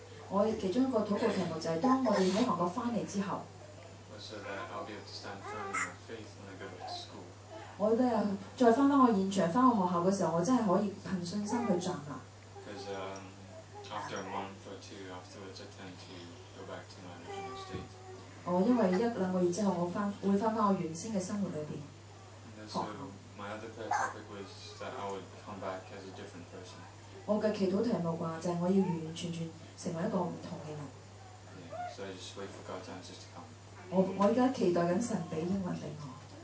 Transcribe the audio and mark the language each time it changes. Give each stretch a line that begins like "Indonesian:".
Cantonese: 我其中一個禱告題目就係當我哋喺韓國翻嚟之後。
English: So that I'll be able to stand firm in my faith when I go back to school.
Cantonese: 我咧再翻返我現場，翻我學校嘅時候，我真係可以憑信心去站立。
English: Because after a month or two afterwards, I tend to go back to my original state.
Cantonese: 因為一兩個月之後，我會翻返我原先嘅生活裏邊。
English: And so my other prayer topic was that I would come back as a different person.
Cantonese: 我嘅祈禱題目話就係我要完完全全成為一個唔同嘅人。
English: So I just wait for God's answers to come.
Cantonese: 我而家期待緊神俾英文俾我。